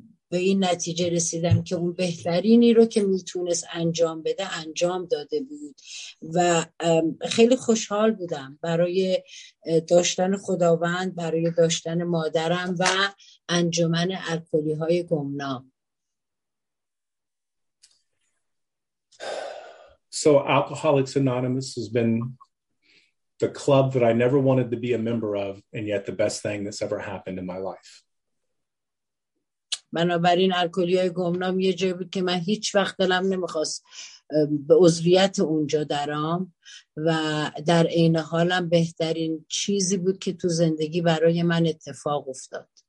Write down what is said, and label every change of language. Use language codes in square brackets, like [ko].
[fa] به این نتیجه رسیدم که اون بهترینی رو که میتونست انجام بده انجام داده بود و خیلی خوشحال بودم برای داشتن خداوند، برای داشتن مادرم و انجمن الکلی های گمنام. [en] So Alcoholics Anonymous has been the club that I never wanted to be a member of and yet the best thing that's ever happened in my life. [fa] بنابراین الکلی‌های گمنام یه جایی بود که من هیچ وقت دلم نمیخواست به عضویت اونجا درام و در این حالم بهترین چیزی بود که تو زندگی برای من اتفاق افتاد.